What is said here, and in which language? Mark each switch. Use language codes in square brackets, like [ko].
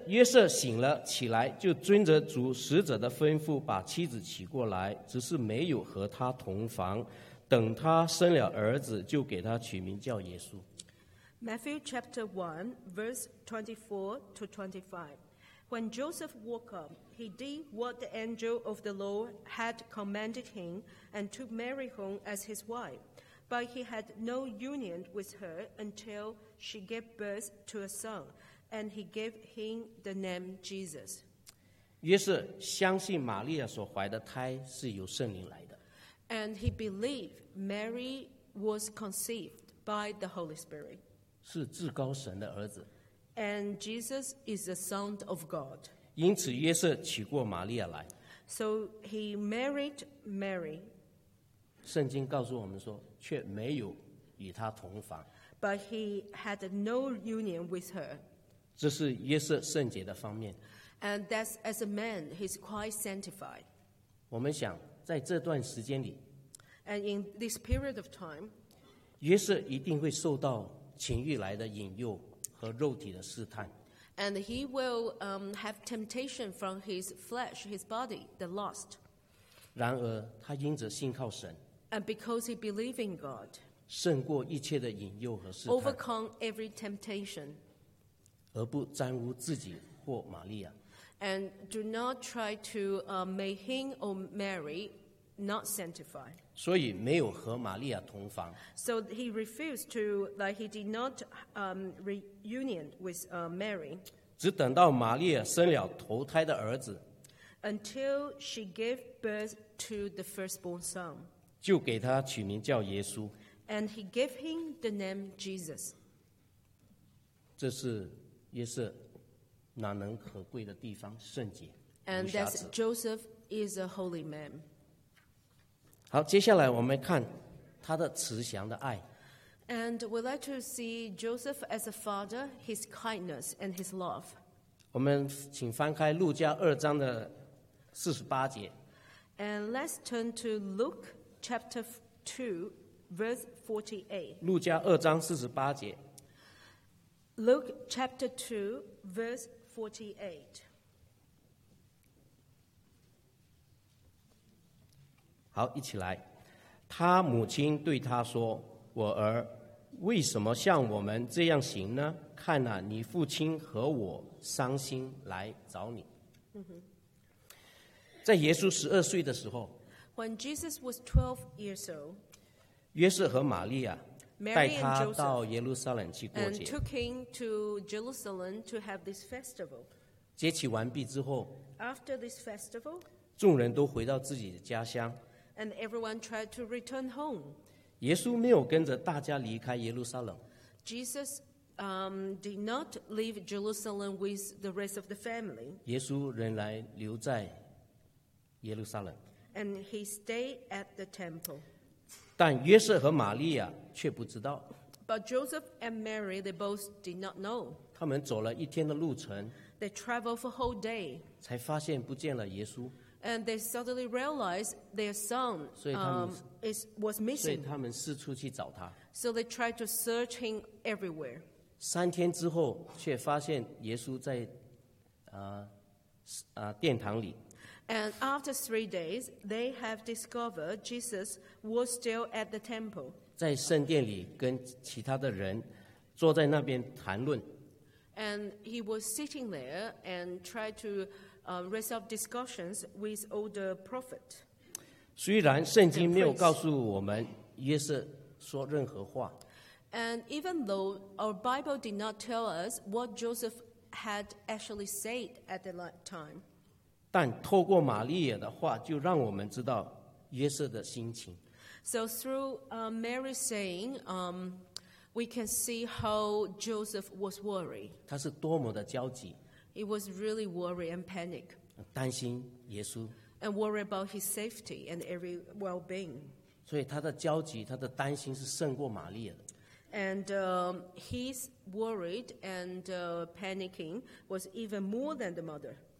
[zh] 约瑟醒了起来，就遵着主使者的吩咐把妻子娶过来，只是没有和他同房，等他生了儿子就给他取名叫耶稣。 [en] Matthew chapter 1, verse 24-25. When Joseph woke up, he did what the angel of the Lord had commanded him and took Mary home as his wife. But he had no union with her until she gave birth to a son, and he gave him the name Jesus. [zh] 约瑟相信玛利亚所怀的胎是由圣灵来的。 [en] And he believed Mary was conceived by the Holy Spirit. [zh] 是至高神的儿子。 [en] And Jesus is the Son of God. [zh] 因此约瑟娶过玛利亚来。 [en] So he married Mary. [zh] 圣经告诉我们说，却没有与她同房。 [en] But he had no union with her. [zh] 这是约瑟圣洁的方面。 [en] And that's as a man, he's quite sanctified. [zh] 我们想在这段时间里， [en] And in this period of time, [zh] 约瑟一定会受到情欲来的引诱和肉体的试探。 [en] And he will have temptation from his flesh, his body, the lust. [zh] 然而他因着信靠神， [en] And because he believed in God, [zh] 胜过一切的引诱和试探， [en] overcome every temptation, [zh] 而不沾污自己或玛利亚， [en] And do not try to make him or Mary not sanctified. [zh] 所以没有和玛利亚同房。 [en] So he refused to, like he did not reunion with Mary. [zh] 只等到玛利亚生了头胎的儿子。 [en] Until she gave birth to the firstborn son. [zh] 就给他取名叫耶稣。 [en] And he gave him the name Jesus. [zh] 这是约瑟难能可贵的地方，圣洁。 [en] And that Joseph is a holy man. [zh] 好，接下来我们看他的慈祥的爱。 [en] And we'd like to see Joseph as a father, his kindness and his love. [zh] 我们请翻开路加二章的四十八节。 [en] And let's turn to Luke chapter 2, verse 48. [zh] 路加二章四十八节。 [en] Luke chapter 2, verse 48. [zh] 好，一起来。他母亲对他说：“我儿，为什么像我们这样行呢？看哪、啊，你父亲和我伤心来找你。” 在耶稣十二岁的时候 [en] ，When Jesus was 12 years old， [zh] 约瑟和玛利亚带他到耶路撒冷去过节 [en] ，and took him to Jerusalem to have this festival。 [zh] 节期完毕之后 [en] ，After this festival， [zh] 众人都回到自己的家乡。 [en] And everyone tried to return home. [zh] 耶稣没有跟着大家离开耶路撒冷。 [en] Jesus, did not leave Jerusalem with the rest of the family. [zh] 耶稣仍然留在耶路撒冷。 [en] And he stayed at the temple. [zh] 但约瑟和玛利亚却不知道。 [en] But Joseph and Mary, they both did not know. [zh] 他们走了一天的路程。 [en] They traveled for a whole day. [zh] 才发现不见了耶稣。 [en] And they suddenly realized their son was missing. [zh] 所以他们四处去找他。 [en] So they tried to search him everywhere. [zh] 三天之后，却发现耶稣在殿堂里。 [en] And after 3 days, they have discovered Jesus was still at the temple. [zh] 在圣殿里跟其他的人坐在那边谈论。 [en] And he was sitting there and tried to. Resolve discussions with older prophet. [zh] 虽然圣经没有告诉我们约瑟说任何话 [en] ，and even though our Bible did not tell us what Joseph had actually said at the time, [zh] 但透过玛利亚的话，就让我们知道约瑟的心情。 [en] So through Mary saying, we can see how Joseph was worried. [zh] 他是多么的焦急。 [en] He was really worried and panic. [zh] 担心耶稣。 [en] And worried about his safety and every well-being. [zh] 所以他的焦急，他的担心是胜过玛利亚的。 [en] And he's worried and panicking was even more than the mother.